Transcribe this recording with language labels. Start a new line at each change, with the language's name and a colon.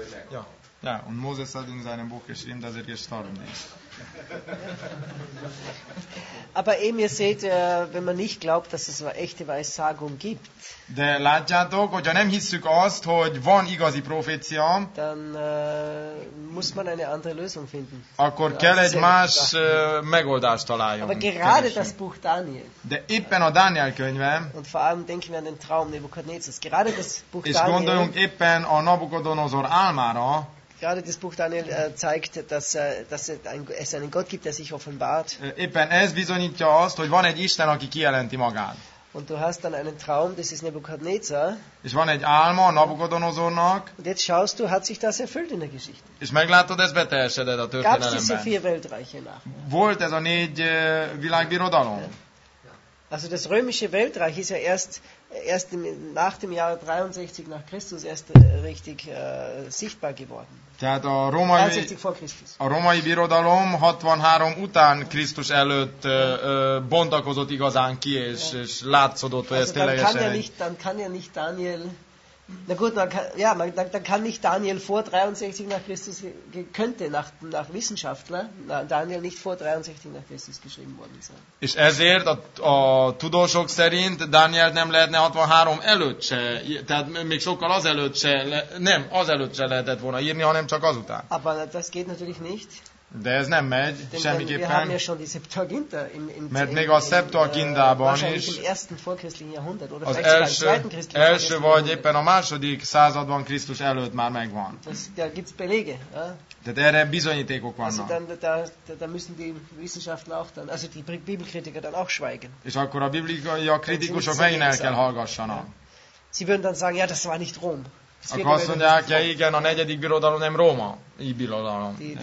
German: Ja. Ja, und Moses hat in seinem Buch geschrieben, dass er gestorben ist. Aber eben, ihr seht, wenn man nicht glaubt, dass es eine echte Weissagung gibt,
Hungarian: de látjátok, hogyha nem hisszük azt, hogy van igazi profécia,
German: dann muss man eine andere Lösung finden.
Hungarian: Akkor kell egy más megoldást találjunk.
German: Aber gerade das Buch Daniel.
Hungarian: De éppen a Dániel könyve.
German: Und vor allem denken wir an den Traum Nebukadnezars. Gerade das Buch
Hungarian: Daniel. És gondoljunk éppen a Nabukodonozor álmára.
German: Gerade das Buch Daniel zeigt, dass es einen Gott gibt, der sich offenbart.
Hungarian: Éppen ez bizonyítja azt, hogy van egy Isten, aki kijelenti magát.
German: Und du hast dann einen Traum, das ist Nebukadnezar.
Hungarian: És van egy álma a Nabukodonozornak.
German: Und jetzt schaust du, hat sich das erfüllt in der Geschichte.
Hungarian: És meglátod, ez beteljesedett a történelemben.
German: Gab es diese vier Weltreiche nach?
Hungarian: Volt ez a négy világbirodalom?
German: Also das römische Weltreich ist ja erst nach dem Jahre 63 nach Christus erst richtig sichtbar geworden.
Hungarian: Tehát a római, birodalom 63 után Krisztus előtt bontakozott igazán ki, és látszódott, hogy ez ténylegesen.
German: Also dann kann ja nicht Daniel, na gut, dann kann nicht Daniel vor 63 nach Christus, könnte nach Wissenschaftler, Daniel nicht vor 63 nach Christus geschrieben worden sein.
Hungarian: És ezért a tudósok szerint Daniel nem lehetne 63 előtt se, tehát még sokkal azelőtt se, nem, azelőtt se lehetett volna írni, hanem csak azután.
German: Aber das geht natürlich nicht.
Hungarian: De ez nem megy, semmiképpen.
German: Wir haben ja schon die Septuaginta im
Hungarian: mert még a Septuagintában is
German: im ersten vorchristlichen Jahrhundert, oder
Hungarian: az első vagy éppen a második században Krisztus előtt már megvan.
German: Da gibt's Belege.
Hungarian: Tehát erre bizonyítékok vannak.
German: Da müssen die Wissenschaftler auch dann, also die Bibelkritiker dann auch schweigen.
Hungarian: És akkor a bibliai kritikusok megint el kell hallgassanak.
German: Sie würden dann sagen, ja, das war nicht Rom.
Hungarian: Akkor azt mondják, ja igen, a negyedik birodalom nem Róma, így birodalom.